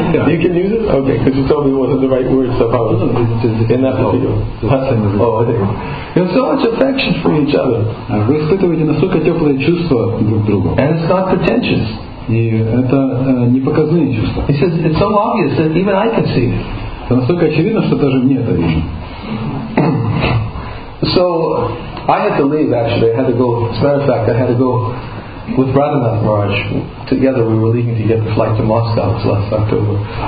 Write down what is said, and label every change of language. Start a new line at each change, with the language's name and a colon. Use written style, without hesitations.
English: You can use it? Okay, because you told me it wasn't the right word, so how was it? In that particular. Oh, okay. You have so much affection for each other.
Russian: Вы испытываете настолько теплые чувства друг к другу.
English: And it's not pretentious.
Russian: И это не показные чувства.
English: He says, it's so obvious that even I can see it.
Russian: Это настолько очевидно, что даже мне это вижу.
English: So, I had to leave, actually. I had to go, as a matter of fact, I had to go with Radhanath Maharaj. Together we were leaving to get the flight to Moscow last October.